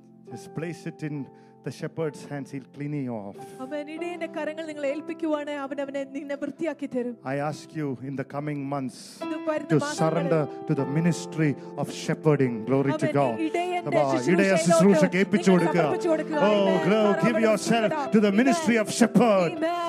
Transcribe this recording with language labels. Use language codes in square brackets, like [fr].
[en] Just place it in the shepherd's hands, he'll clean you off. Amen. [ml] ഇടയന്റെ കരങ്ങൾ നിങ്ങൾ ഏൽപ്പിക്കുവാണ്, അവൻ അവനെ നിന്നെ വൃത്തിയാക്കി തരും. [en] I ask you in the coming months to surrender to the ministry of shepherding. Glory to God. [ml] ഇടയ ശുശ്രൂഷ ഏൽപ്പിച്ചു കൊടുക്കുക. [en] Oh, grow, give yourself to the ministry of shepherd.